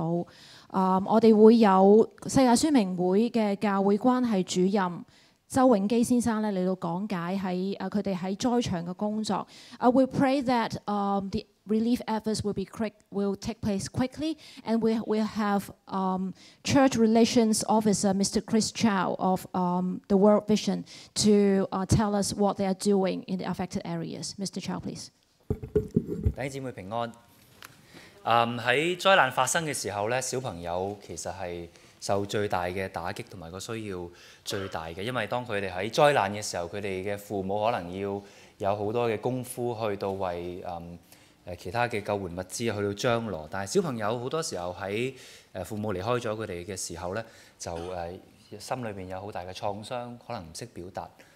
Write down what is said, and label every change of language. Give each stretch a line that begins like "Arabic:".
Cantonese: 我哋会有世界宣明会嘅教会关系主任周永基先生咧嚟到讲解喺佢哋喺灾场嘅工作。
English: We pray that the relief efforts will take place quickly, and we will have Church Relations Officer Mr. Chris Chow of the World Vision to tell us what they are doing in the affected areas. Mr. Chow, please.
Cantonese: 弟兄姊妹平安。喺災難發生嘅時候咧，小朋友其實係受最大嘅打擊同埋個需要最大嘅，因為當佢哋喺災難嘅時候，佢哋嘅父母可能要有好多嘅功夫去到為其他的救援物資去到張羅，但小朋友很多時候在父母離開了他們的時候就心裡面有很大的創傷，可能不懂表達。